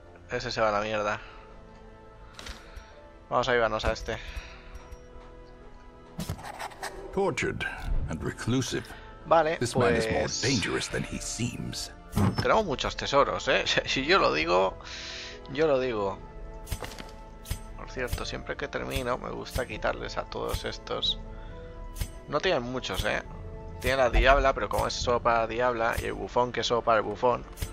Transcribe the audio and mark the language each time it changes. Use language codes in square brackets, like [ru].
[es] Ese se va a la mierda. Vamos a llevarnos a este. [en] Tortured and reclusive. [es] Vale, [en] This man is more [es] pues [en] dangerous than he seems. [es] tenemos muchos tesoros, ¿eh? Si yo lo digo, yo lo digo. Por cierto, siempre que termino me gusta quitarles a todos estos. No tienen muchos, ¿eh? Tiene la Diabla, pero como es solo para la Diabla y el bufón que es solo para el bufón.